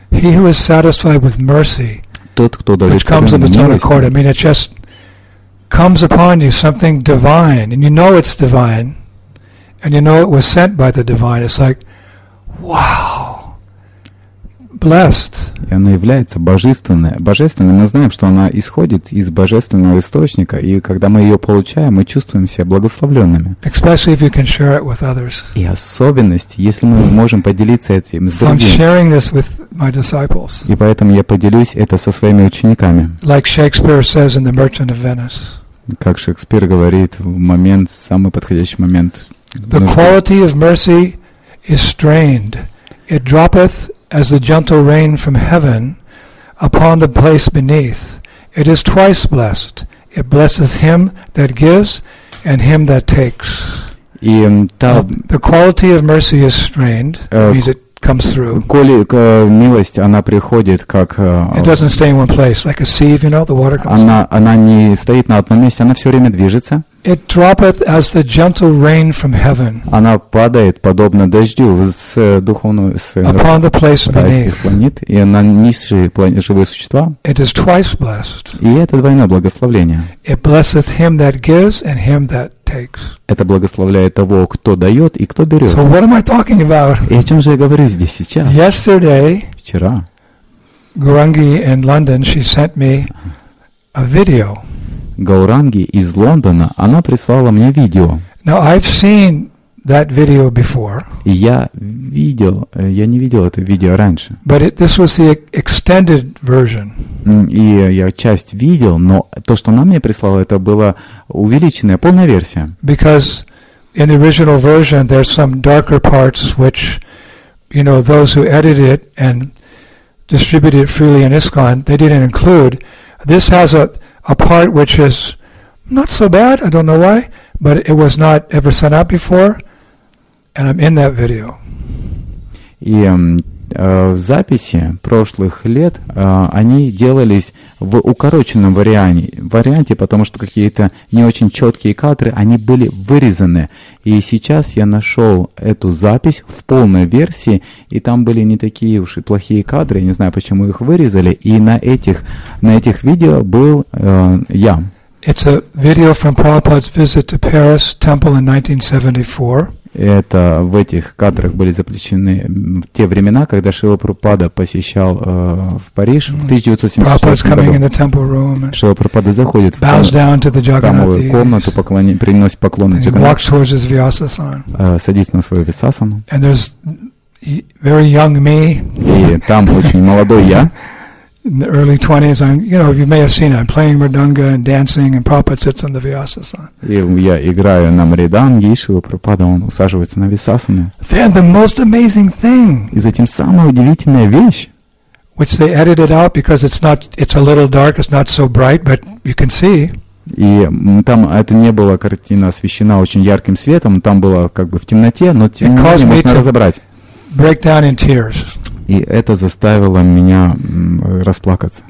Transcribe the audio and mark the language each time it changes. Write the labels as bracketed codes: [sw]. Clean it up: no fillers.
[en] He who is satisfied with mercy, [ru] тот, кто удовлетворен [en] which comes [ru] милостью, [en] I mean, it just comes upon you something divine, and you know it's divine. And you know it was sent by the divine. It's like, wow, blessed. [ru] И она является божественной. Божественной. Мы знаем, что она исходит из божественного источника. И когда мы ее получаем, мы чувствуем себя благословленными. [en] Especially if you can share it with others. [ru] И особенность, если мы можем поделиться этим с другими. [en] I'm sharing this with my disciples. [ru] И поэтому я поделюсь это со своими учениками. [en] Like Shakespeare says in The Merchant of Venice. [ru] Как Шекспир говорит в момент, самый подходящий момент. [en] The quality of mercy is strained. It droppeth as the gentle rain from heaven upon the place beneath. It is twice blessed. It blesseth him that gives and him that takes. [ru] И, [en] the quality of mercy is strained. It means it comes through. [ru] Коли милость, она приходит как. [en] It doesn't stay in one place, like a sieve, you know, the water comes. [ru] Она не стоит на одном месте, она все время движется. [en] It droppeth as the gentle rain from heaven. [ru] Она падает подобно дождю с духовного с [en] Upon the place [ru] райских планет и на низшие живые существа. [en] It is twice blessed. [ru] И это двойное благословение. [en] It blesseth him that gives and him that takes. [ru] Это благословляет того, кто дает и кто берет. [en] So what am I talking about? [ru] И о чем же я говорю здесь сейчас? [en] Yesterday. [ru] Вчера. [en] Gurangi in London, she sent me a video. [ru] Гауранги из Лондона, она прислала мне видео. [en] Now, I've seen that video before. [ru] Я не видел это видео раньше. [en] But this was the extended version. [ru] И я часть видел, но то, что она мне прислала, это была увеличенная, полная версия. [en] Because in the original version there's some darker parts which, you know, those who edited it and distributed it freely in ISKCON, they didn't include. This has a part which is not so bad, I don't know why, but it was not ever sent out before, and I'm in that video. [ru] И в записи прошлых лет они делались в укороченном варианте, потому что какие-то не очень четкие кадры, они были вырезаны. И сейчас я нашел эту запись в полной версии, и там были не такие уж и плохие кадры, я не знаю, почему их вырезали, и на этих видео был я. [en] It's a video from Prabhupada's visit to Paris Temple in 1974. [ru] Это в этих кадрах были заключены в те времена, когда Шрила Прабхупада посещал в Париж в 1976 году. Шрила Прабхупада заходит в храмовую комнату, приносит поклоны Джаганнату, садится на свою висасану. [en] And there's very young me. [ru] И там очень молодой я. [en] In the early 20s, you may have seen it. I'm playing mridanga and dancing, and Prabhupada sits on the Vyasasana. [ru] И я играю на мриданге, и Шрила Прабхупада, он усаживается на висасане. [en] Then the most amazing thing. [ru] И затем самая удивительная вещь. [en] Which they edited out because it's a little dark, it's not so bright, but you can see. [ru] И там это не была картина освещена очень ярким светом, там было как бы в темноте, но тем не менее можно разобрать. [en] Break down in tears. [ru] И это заставило меня расплакаться.